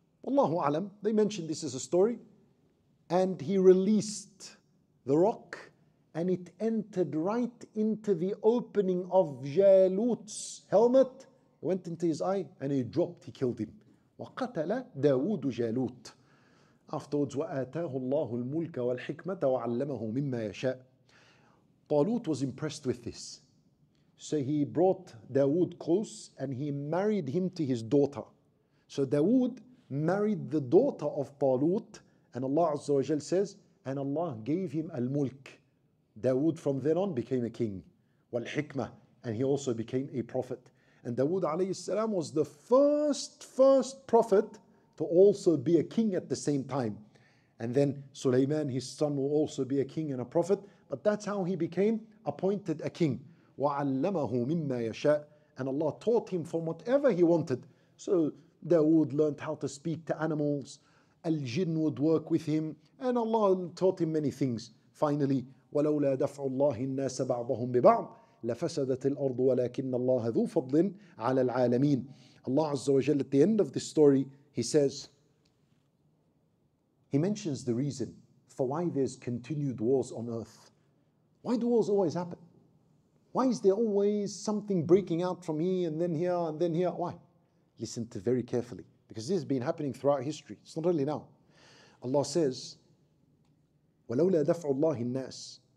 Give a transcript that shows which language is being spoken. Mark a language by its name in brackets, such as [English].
[English] Wallahu alam, they mentioned this as a story. And he released the rock and it entered right into the opening of Jalut's helmet. It went into his eye and he dropped, he killed him. [Arabic] وَقَتَلَ دَاوُودُ جَالُوتُ. Afterwards, وَآتَاهُ اللَّهُ الْمُلْكَ وَالْحِكْمَةَ وَعَلَّمَهُ مِمَّا يَشَاءُ. [English] Talut was impressed with this. So he brought Dawood close and he married him to his daughter. So Dawood married the daughter of Talut, and Allah Azza wa Jal says, and Allah gave him al-mulk. Dawood from then on became a king. Wal-hikmah, and he also became a prophet. And Dawood alayhi salam was the first prophet to also be a king at the same time. And then Sulaiman, his son, will also be a king and a prophet. But that's how he became appointed a king. [Arabic] وَعَلَّمَهُ مِمَّا يَشَاءُ. [English] And Allah taught him from whatever he wanted. So Dawood learned how to speak to animals. Al-jinn would work with him. And Allah taught him many things. [Arabic] Finally, وَلَوْلَا دَفْعُ اللَّهِ النَّاسَ بَعْضَهُمْ بِبَعْضٍ لَفَسَدَتِ الْأَرْضُ وَلَكِنَّ اللَّهَ ذُو فَضْلٍ عَلَى الْعَالَمِينَ. [English] Allah Azza wa Jalla, at the end of this story, he says, he mentions the reason for why there's continued wars on earth. Why do wars always happen? Why is there always something breaking out from here and then here and then here? Why? Listen to very carefully, because this has been happening throughout history. It's not only now. Allah says, [Arabic] وَلَوْلَا دَفْعُ اللَّهِ النَّاسِ.